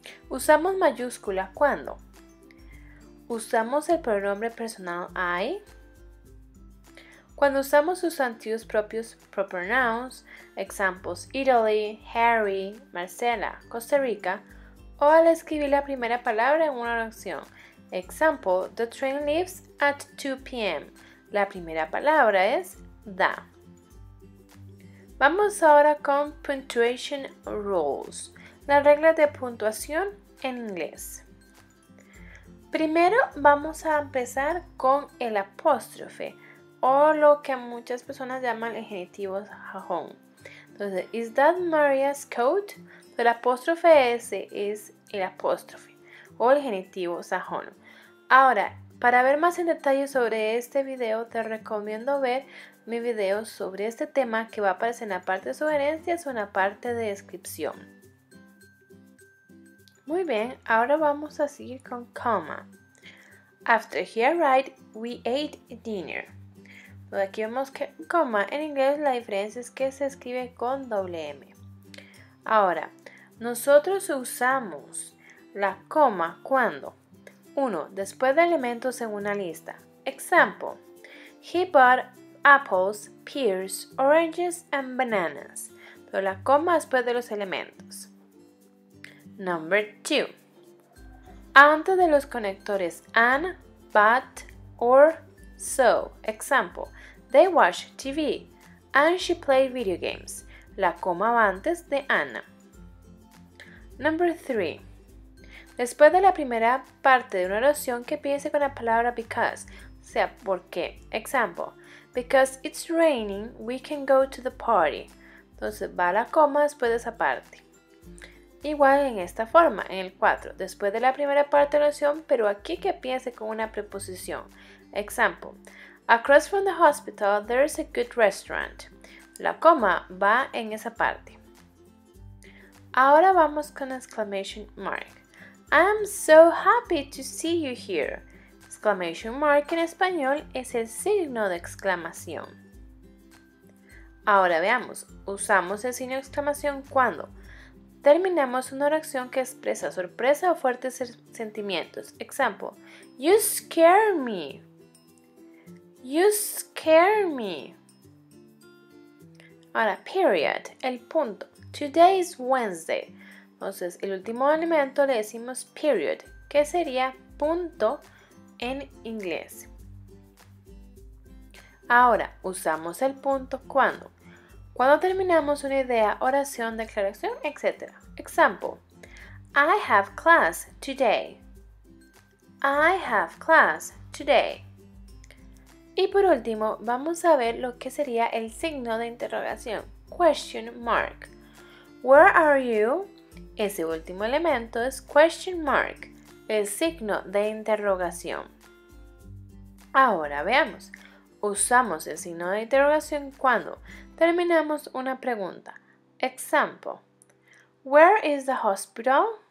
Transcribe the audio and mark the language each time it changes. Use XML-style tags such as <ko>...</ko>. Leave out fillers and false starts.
<es>¿Usamos mayúscula cuándo? Usamos el pronombre personal I. Cuando usamos sustantivos propios, proper nouns, ejemplos, Italy, Harry, Marcela, Costa Rica, o al escribir la primera palabra en una oración.</es> <en>Example, the train leaves at 2 p.m.</en> <es>La primera palabra es the. Vamos ahora con punctuation rules, las reglas de puntuación en inglés. Primero vamos a empezar con el apóstrofe, o lo que muchas personas llaman el genitivo jajón. Entonces,</es> <en>is that Maria's coat?</en> <es>El apóstrofe S es el apóstrofe, o el genitivo sajón. Ahora, para ver más en detalle sobre este video, te recomiendo ver mi video sobre este tema que va a aparecer en la parte de sugerencias o en la parte de descripción. Muy bien, ahora vamos a seguir con coma.</es> <en>After he arrived, we ate dinner.</en> <es>Aquí vemos que coma, en inglés la diferencia es que se escribe con doble M. Ahora, nosotros usamos la coma cuando, uno, después de elementos en una lista.</es> <en>Example, he bought apples, pears, oranges and bananas.</en> <es>Pero la coma después de los elementos.</es> <en>Number two,</en> <es>antes de los conectores and, but, or, so.</es> <en>Example, they watch TV and she played video games.</en> <es>La coma va antes de Anna.</es> <en>Number 3.</en> <es>Después de la primera parte de una oración que empiece con la palabra because, o sea, ¿por qué?</es> <en>Example, because it's raining, we can go to the party.</en> <es>Entonces va la coma después de esa parte. Igual en esta forma, en el 4. Después de la primera parte de la oración, pero aquí que empiece con una preposición.</es> <en>Example, across from the hospital, there is a good restaurant.</en> <es>La coma va en esa parte. Ahora vamos con exclamation mark.</es> <en>I'm so happy to see you here.</en> <es>Exclamation mark en español es el signo de exclamación. Ahora veamos, usamos el signo de exclamación cuando terminamos una oración que expresa sorpresa o fuertes sentimientos.</es> <en>Example, you scare me. You scare me.</en> <es>Ahora,</es> <en>period,</en> <es>el punto.</es> <en>Today is Wednesday.</en> <es>Entonces, el último elemento le decimos period, que sería punto en inglés. Ahora, usamos el punto cuando. Cuando terminamos una idea, oración, declaración, etc.</es> <en>Example, I have class today. I have class today.</en> <es>Y por último, vamos a ver lo que sería el signo de interrogación, question mark.</es> <en>Where are you?</en> <es>Ese último elemento es question mark, el signo de interrogación. Ahora veamos, usamos el signo de interrogación cuando terminamos una pregunta.</es> <en>Example, where is the hospital?</en>